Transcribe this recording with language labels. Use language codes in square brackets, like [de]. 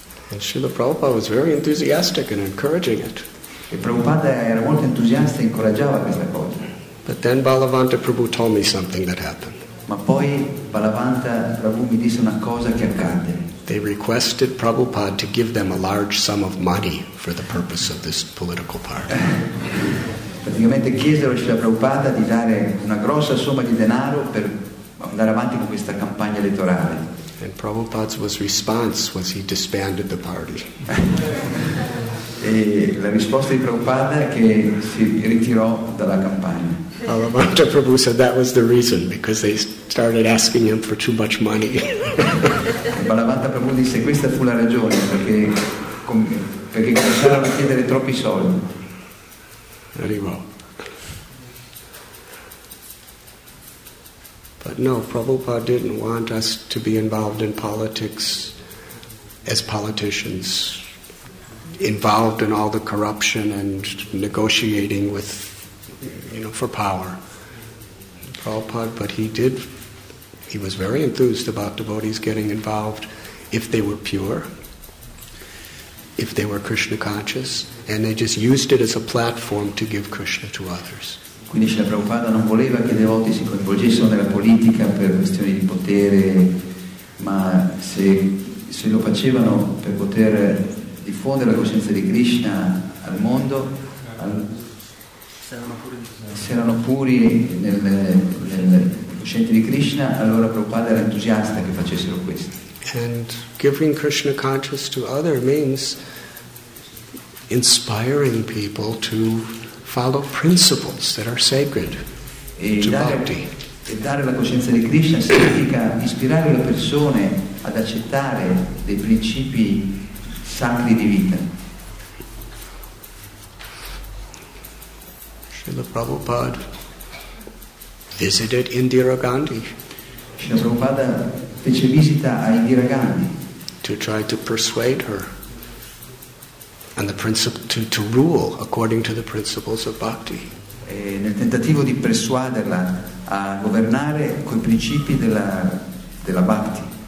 [en] And Srila Prabhupada was very enthusiastic and encouraging it. [it] E Prabhupada era molto entusiasta e incoraggiava questa cosa. [en] But then Balavanta Prabhu told me something that happened. [it] Ma poi Balavanta Prabhu mi disse una cosa che accadde. [en] They requested Prabhupada to give them a large sum of money for the purpose of this political party. [it] Praticamente chiesero a Srila Prabhupada di dare una grossa somma di denaro per andare avanti con questa campagna elettorale. [en] And Prabhupada's response was he disbanded the party. [it] E la risposta di Prabhupada è che si ritirò dalla campagna. [en] Balavanta Prabhu said that was the reason, because they started asking him for too much money. [it] Balavanta Prabhu disse questa fu la ragione perché cominciarono a chiedere troppi soldi. Arrivo. [en] But no, Prabhupada didn't want us to be involved in politics as politicians, involved in all the corruption and negotiating with, you know, for power. Prabhupada, but he was very enthused about devotees getting involved if they were pure, if they were Krishna conscious, and they just used it as a platform to give Krishna to others. [it] Quindi Srila Prabhupada non voleva che i devoti si coinvolgessero nella politica per questioni di potere, ma se lo facevano per poter diffondere la coscienza di Krishna al mondo, se erano puri nel coscienti di Krishna, allora Prabhupada era entusiasta che facessero questo. [en] And giving Krishna consciousness to other means inspiring people to follow principles that are sacred to bhakti. [it] E dare la coscienza di Krishna significa ispirare le persone ad accettare dei principi sacri di vita. [en] Srila Prabhupada visited Indira Gandhi. [it] Srila Prabhupada fece visita a Indira Gandhi. [en] To try to persuade her and the principle to rule according to the principles of bhakti. [it] E nel tentativo di persuaderla a governare coi principi della bhakti.